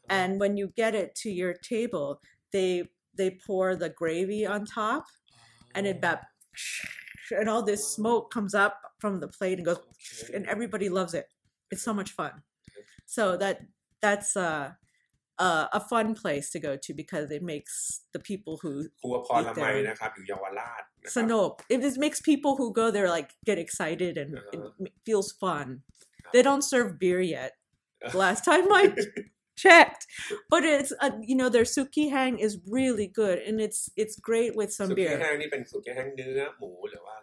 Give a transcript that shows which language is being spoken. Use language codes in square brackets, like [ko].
[en] And when you get it to your table, they pour the gravy on top, and it bap, and all this smoke comes up from the plate and goes, and everybody loves it. It's so much fun. So that's a fun place to go to because it makes the people who [th] Krua Porn Lamai นะครับอยู่เยาวราช [en] สนุก it makes people who go there like get excited and it feels fun. They don't serve beer yet. Last time I checked, but it's you know their suki hang is really good and it's great with some beer. [th] Suki hang นี่เป็นสุกี้แห้งเนื้อหมูหรือว่า